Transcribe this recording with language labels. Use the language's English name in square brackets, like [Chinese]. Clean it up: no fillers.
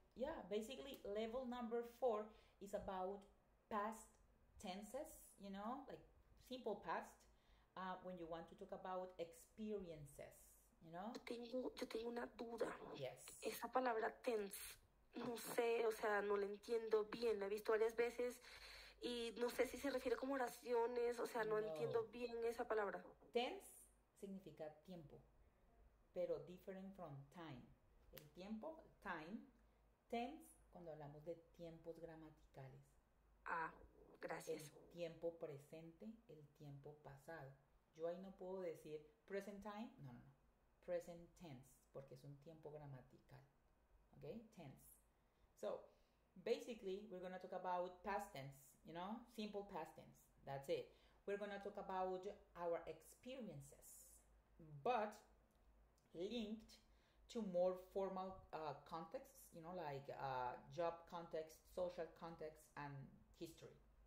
[English] Yeah, basically, level number 4 is about past tenses, you know, like simple past, when you want to talk about experiences, you know. [Spanish] Yo tengo una duda. [English] Yes. [Spanish] Esa palabra tense, no sé, o sea, no la entiendo bien. La he visto varias veces y no sé si se refiere como oraciones, o sea, no entiendo No. bien esa palabra. [English] Tense [Spanish] significa tiempo, pero [English] different from time. [Spanish] El tiempo, time, tense cuando hablamos de tiempos gramaticales. Ah, El gracias. tiempo presente, el tiempo pasado. Yo ahí no puedo decir [English] present time, [Spanish] no, no, no. [English] Present tense, [Spanish] porque es un tiempo gramatical. ¿Ok? Tense. [English] So, basically, we're going to talk about past tense, you know? Simple past tense. That's it. We're going to talk about our experiences, but linked to more formal contexts, you know, like job context, social context, and history.